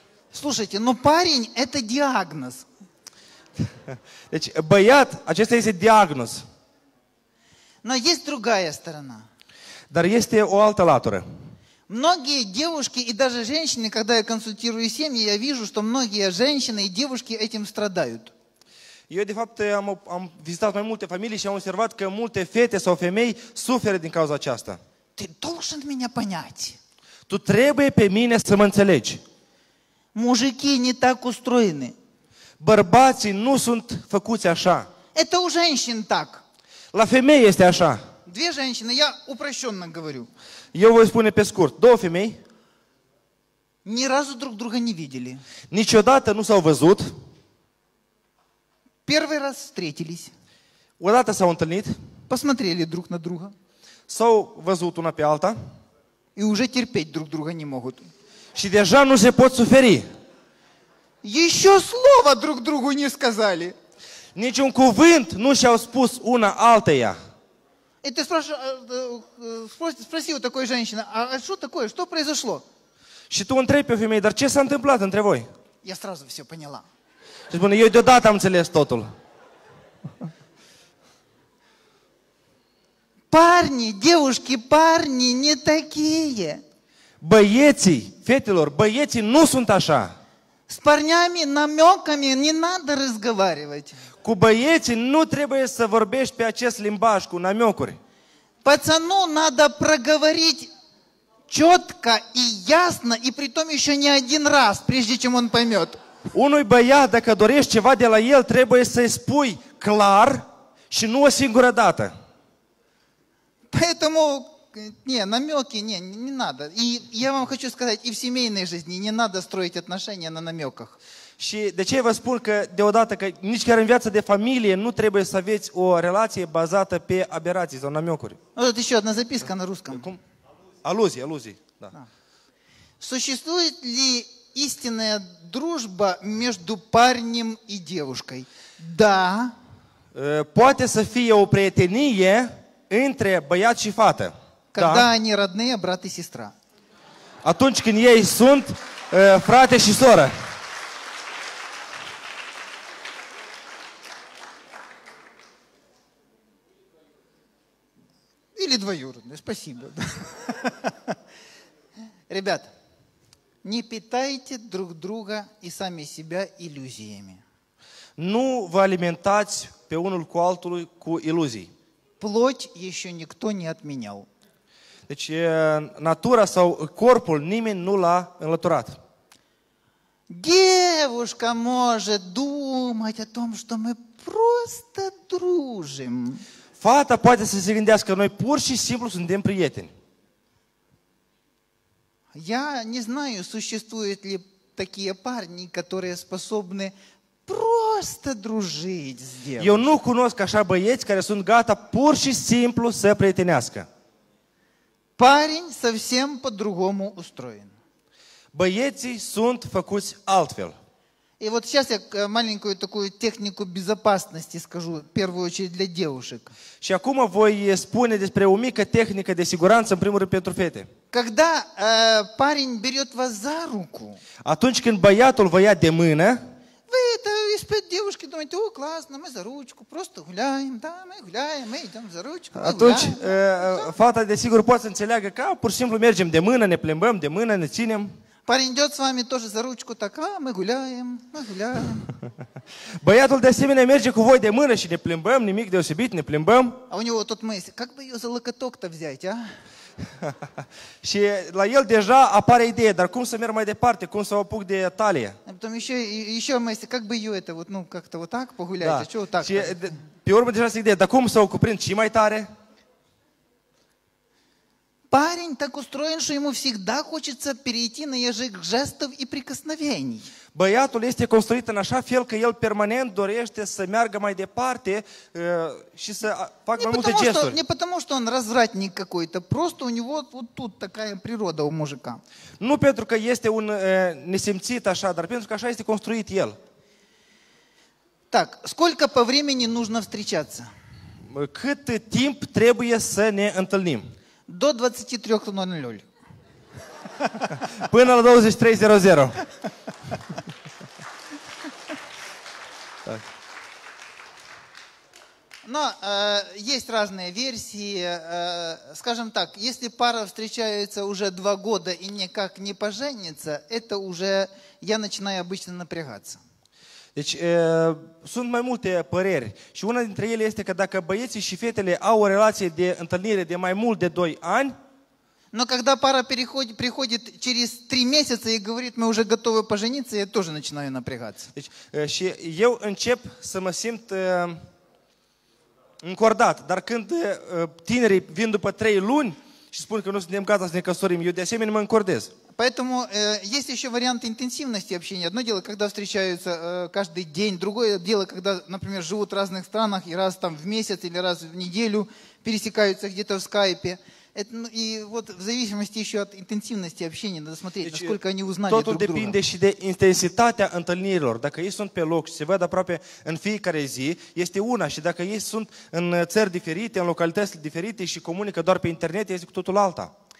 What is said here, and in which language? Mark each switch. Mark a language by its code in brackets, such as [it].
[ru] Слушайте, но парень – это диагноз. [ro] Deci, băiat, acesta este diagnoz. [ru] Но есть другая сторона. [ro] Dar este o altă latură. [ru] Многие девушки и даже женщины, когда я консультирую семьи, я вижу, что многие женщины и девушки этим страдают. [ro] Eu, de fapt, am vizitat mai multe familii și am observat că multe fete sau femei suferă din cauza aceasta. [ru] Ты должен меня понять. [ro] Tu trebuie pe mine să mă înțelegi. [ru] Мужики не так устроены. [ro] Бărbații nu sunt făcuți așa. [ru] Это у женщин так. [ro] La femei este așa. [ru] Две женщины, я упрощенно говорю. [ro] Eu voi spune pe scurt. Două femei. [ru] Ни разу друг друга не видели. [ro] Niciodată nu s-au văzut. [ru] Первый раз встретились. [ro] Odată s-au întâlnit. [ru] Посмотрели друг на друга. [ro] S-au văzut una pe alta. [ru] И уже терпеть друг друга не могут. [ro] Și deja nu se pot suferi. [ru] Еще слова друг другу не сказали. [ro] Niciun cuvânt nu și-au spus una altăia. [ru] И ты спроси у такой женщины, а что такое, что произошло? [ro] Și tu întrebi o femeie, dar ce s-a întâmplat între voi? [ru] Я сразу все поняла. [ro] Și spune, eu deodată am înțeles totul. [ru] Парни, девушки, парни не такие. [ro] Băieții, фетелор, băieții nu sunt așa. [ru] С парнями намеками не надо разговаривать. [ro] Cu băieții nu trebuie să vorbești pe acest limbaj, cu намекuri. [ru] Пацану надо проговорить четко и ясно, и при том еще не один раз, прежде чем он поймет. [ro] Unui băiat, dacă dorești ceva de la el, trebuie să-i spui clar și nu o singură dată. [ru] Поэтому, не надо. И я вам хочу сказать, и в семейной жизни не надо строить отношения на намеках. [ro] Și de ce vă spun că deodată, că nici chiar în viața de familie nu trebuie să aveți o relație bazată pe aberații sau намекuri. [ru] Вот еще одна записка на русском. [ro] Cum? Aluzii, da. [ru] Существует ли истинная дружба между парнем и девушкой? Да. [ro] Poate să fie o prietenie între băiat și fată. [ru] Когда они родные, брат и сестра. [ro] Atunci când ei sunt frate și soră. [ru] Или двоюродные, спасибо. Ребят, не питайте друг друга и сами себя иллюзиями. [ro] Nu vă alimentați pe unul cu altul cu iluzii. [ru] Плоть еще никто не отменял. [ro] Deci natura sau corpul nimeni nu l-a înlăturat. [ru] Девушка может думать о том, что мы просто дружим. [ro] Fata poate să se gândească, noi pur și simplu suntem prieteni. [ru] Я не знаю, существуют ли такие парни, которые способны просто дружить с девушкой. [ro] Eu nu cunosc așa băieți care sunt gata pur și simplu să prietenească. [ru] Парень совсем по-другому устроен. [ro] Băieții sunt făcuți altfel. [ru] И вот сейчас я маленькую такую технику безопасности скажу, в первую очередь для девушек. [ro] Și acum voi spune despre o mică tehnică de siguranță, în primul rând pentru fete. [ru] Когда парень берет вас за руку, [ro] atunci când băiatul vă ia de mână, [ru] вы это испыт девушки, думаете, о, классно, мы за ручку, просто гуляем, да, мы гуляем, мы идем за ручку, мы [ro] Atunci fata, desigur, poate să înțeleagă că pur și simplu mergem de mână, ne plimbăm de mână, ne ținem. [ru] Парень идет с вами тоже за ручку, так, а, мы гуляем, мы гуляем. [ro] Băiatul de asemenea merge cu voi de mână și ne plimbăm, nimic deosebit, ne plimbăm. [ru] А у него тот мысль, как бы ее за локоток-то взять, а? [ro] Și la el deja apare ideea, dar cum să merg mai departe, cum să o apuc de talie? [ru] Потом еще мысль, как бы ее это, вот, ну, как-то вот так погулять, да. А что вот так? [ro] Și pe urmă deja se ideea, dar cum să o cuprind și mai tare? [ru] Парень так устроен, что ему всегда хочется перейти на язык жестов и прикосновений. [ro] Băiatul este construit în așa fel că el permanent dorește să meargă mai departe și să facă mai multe gesturi. [ru] Не потому, что он развратник какой-то, просто у него вот тут такая природа у мужика. [ro] Nu pentru că este un несимțit așa, dar pentru că așa este construit el. [ru] Так, сколько по времени нужно встречаться? [ro] Cât timp trebuie să ne întâlnim? [ru] До 23:00. [ro] Până la 23:00. [ru] Но есть разные версии. Скажем так, если пара встречается уже 2 года и никак не поженится, это уже я начинаю обычно напрягаться. [ro] Deci, sunt mai multe păreri și una dintre ele este că dacă băieții și fetele au o relație de întâlnire de mai mult de 2 ani, [ru] Но когда пара приходит через 3 месяца и говорит, мы уже готовы пожениться, я тоже начинаю напрягаться. [ro] Deci, eu încep să mă simt încordat, dar când tinerii vin după 3 luni și spun că nu suntem gata să ne căsătorim, eu de asemenea mă încordez. [ru] Поэтому есть еще вариант интенсивности общения. Одно дело, когда встречаются каждый день. Другое дело, когда, например, живут в разных странах и раз там в месяц или раз в неделю пересекаются где-то в скайпе. Это, ну, и вот в зависимости еще от интенсивности общения надо смотреть, deci, насколько они узнали друг друга. [ro] Totul depinde și de intensitatea întâlnirilor. Dacă ei sunt pe loc și se văd aproape în fiecare zi, este una. Și dacă ei sunt în țări diferite, în localități diferite și comunică doar pe internet, este cu totul alta.